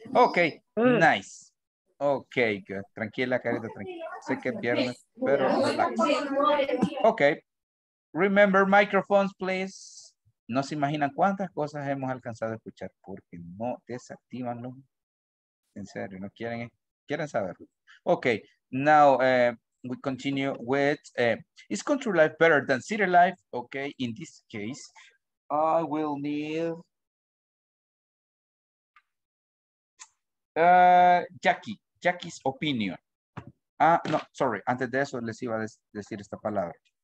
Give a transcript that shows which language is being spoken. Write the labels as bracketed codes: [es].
[en] Ok, nice. Ok, good. [es] Tranquila, carita, tranquila. Sé que pierdes, pero relax. Ok. [en] Remember microphones, please. [es] No se imaginan cuántas cosas hemos alcanzado a escuchar porque no desactivan los. En serio, no quieren, quieren saber. [en] Ok, now we continue with, is country life better than city life? Ok, in this case, I will need Jackie, Jackie's opinion. [es] Ah, no, sorry, antes de eso les iba a decir esta palabra.